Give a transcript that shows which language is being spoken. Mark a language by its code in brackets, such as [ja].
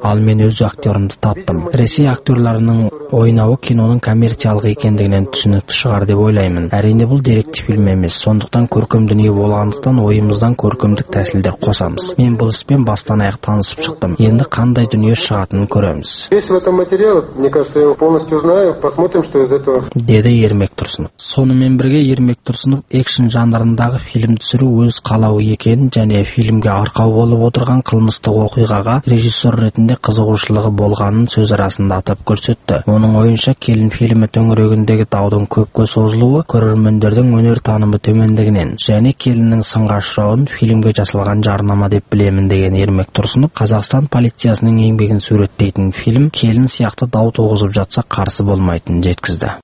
[kk] Ал мен өз актерімді таптым. Ресей актерларының ойнауы киноның коммерциялық екендігінен түсінікті шығар деп ойлаймын. Әрине бұл деректі фильм емес. Сондықтан көркем дүние болғандықтан ойымыздан көркемдік тәсілдер қосамыз. Мен бұл іспен бастан аяқ танысып шықтым. Енді қандай дүние шығатынын көреміз. [ru] Весь в этом материале, мне кажется, я его полностью знаю, посмотрим, что из этого. [kk] Деді Ермек Тұрсынов. Сонымен бірге Ермек Тұрсынов экшн жанрындағы фильм түсіру өз қалауы екенін және фильмге арқау болып отырған қылмыстық оқиғаға режиссер ретінде қызығушылығы болғанын сөз арасында атап көрсетті. Оның ойынша келін фильмі төңірегіндегі даудың көпке созылуы көрермендердің өнер танымы төмендігінен және келіннің сынға ұшырауын фильмге жасалған жарнама деп білемін деген Ермек Тұрсынов Қазақстан полициясының еңбегін суреттейтін фильм келін сияқты дау туғызып жатса қарсы болмайтынын жеткізді.